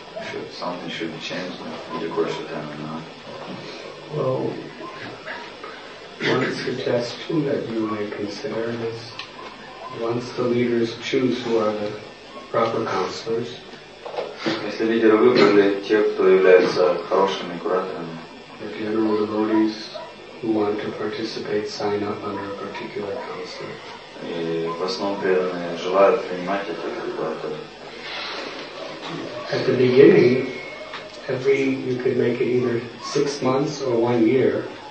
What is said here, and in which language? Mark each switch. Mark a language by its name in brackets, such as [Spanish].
[English] Should something should be changed in the course of time or not? Well, one suggestion that you might consider is once the leaders choose who are the proper counselors. [Russian] Если лидеры выбрали тех, кто является хорошими кураторами. [English] The general devotees who want to participate sign up under a particular counselor. [Russian] И в основном преданные желают принимать этих кураторов. [English] At the beginning, you could make it either 6 months or 1 year.